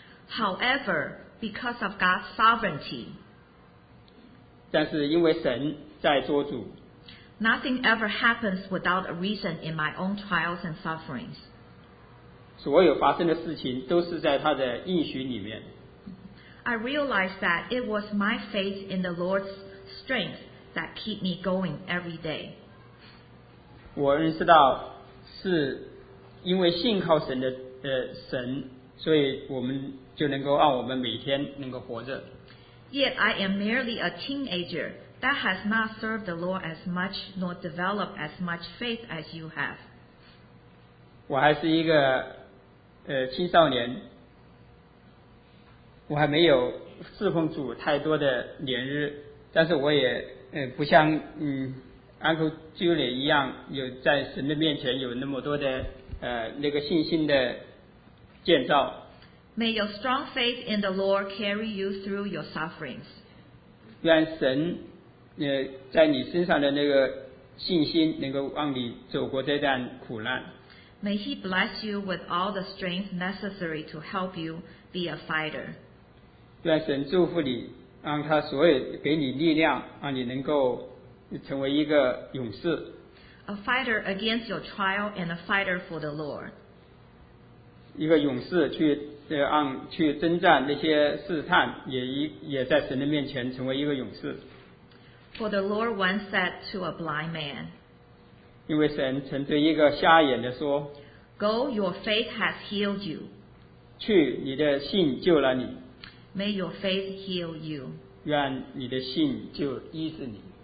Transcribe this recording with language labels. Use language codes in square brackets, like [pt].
[en] However, because of God's sovereignty， [zh] 但是因为神在做主， [en] Nothing ever happens without a reason in my own trials and sufferings， [zh] 所有发生的事情都是在他的应许里面。 [en] I realized that it was my faith in the Lord's strength that keep me going every day， [zh] 我认识到是因为信靠神的神，所以我们就能够让我们每天能够活着。 [en] Yet I am merely a teenager that has not served the Lord as much nor developed as much faith as you have， [zh] 我还是一个青少年，我还没有侍奉主太多的年日，但是我也不像Uncle Julie 一样有在神的面前有那么多的那个信心的建造。 [en] May your strong faith in the Lord carry you through your sufferings， [zh] 愿神在你身上的那个信心能够让你走过这段苦难。 [en] May he bless you with all the strength necessary to help you be a fighter， [zh] 愿神祝福你，让他所有给你力量，让你能够成为一个勇士。 [en] A fighter against your trial and a fighter for the Lord， [zh] 一个勇士去征战那些试探，也在神的面前成为一个勇士。 [en] For the Lord once said to a blind man， [zh] 因为神曾对一个瞎眼的说， [en] Go, your faith has healed you， [zh] 去，你的信救了你。 [en] May your faith heal you， [zh] 愿你的信就医治你。